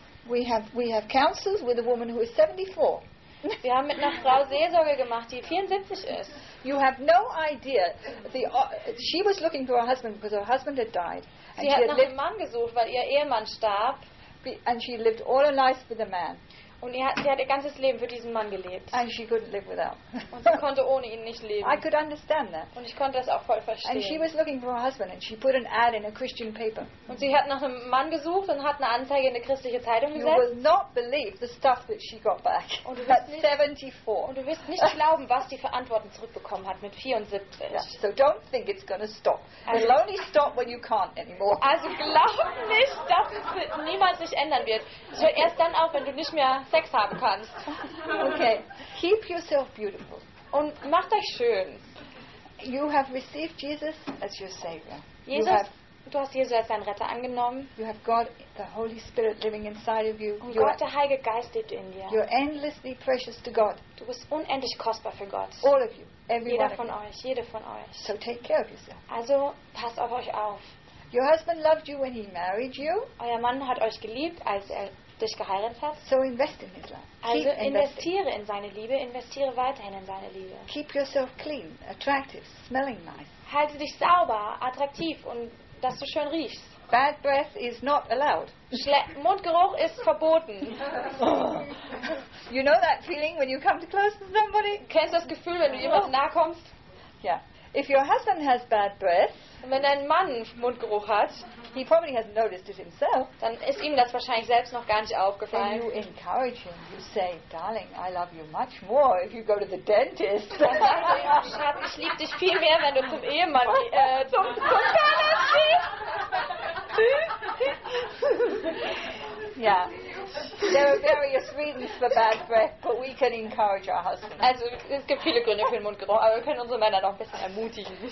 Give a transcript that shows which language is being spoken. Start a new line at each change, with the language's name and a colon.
English: we have counsels with a woman who is 74.
German: Wir haben mit einer Frau Seelsorge gemacht, die 74 ist.
English: You have no idea. She was looking for her husband because her husband had died.
German: Sie hat nach einem Mann gesucht, weil ihr Ehemann starb.
English: And she lived all her life with a man.
German: Und sie hat ihr ganzes Leben für diesen Mann gelebt.
English: And she couldn't live without.
German: Und sie konnte ohne ihn nicht leben.
English: I could understand that.
German: Und ich konnte das auch voll verstehen.
English: And she was looking for her husband and she put an ad in a Christian paper.
German: Und sie hat nach einem Mann gesucht und hat eine Anzeige in eine christliche Zeitung gesetzt.
English: You will not believe the stuff that she got back.
German: Und du wirst nicht,
English: 74.
German: Und du wirst nicht glauben, was die Verantwortung zurückbekommen hat mit 74.
English: Yeah. So don't think it's gonna stop. It'll only stop when you can't anymore.
German: Also glaub nicht, dass es niemals sich ändern wird. Es hört erst dann auf, wenn du nicht mehr Sex haben kannst.
English: Okay. Keep yourself beautiful.
German: Und macht euch schön.
English: You have received Jesus as your Savior.
German: Du hast Jesus als deinen Retter angenommen.
English: You have God, the Holy Spirit, living inside of you.
German: Und Gott, der Heilige Geist, lebt in dir.
English: You're endlessly precious to God.
German: Du bist unendlich kostbar für Gott.
English: All of you. Everyone.
German: Jeder von euch. Jede von euch.
English: So take care of yourself.
German: Also passt auf euch auf.
English: Your husband loved you when he married you.
German: Euer Mann hat euch geliebt, als er dich geheiratet hat.
English: So invest in his love.
German: Also investiere in seine Liebe, investiere weiterhin in seine Liebe.
English: Keep yourself clean, attractive, smelling nice.
German: Halte dich sauber, attraktiv und dass du schön riechst.
English: Bad breath is not allowed.
German: Mundgeruch ist verboten.
English: You know that feeling when you come too close to somebody?
German: Kennst du das Gefühl, wenn du jemandem nahe kommst? Ja.
English: Yeah. If your husband has bad breath,
German: und wenn dein Mann Mundgeruch hat,
English: he probably hasn't noticed it himself.
German: Dann ist ihm das wahrscheinlich selbst noch gar nicht aufgefallen.
English: Then you encourage him. You say, "Darling, I love you much more if you go to the dentist."
German: Dann sagst du ihm, Schatz, ich liebe dich viel mehr, wenn du zum Ehemann zum Zahnarzt gehst. Ja.
English: There are various reasons for bad breath, but we can encourage our husband.
German: Also, es gibt viele Gründe für den Mundgeruch, aber wir können unsere Männer noch ein bisschen ermutigen.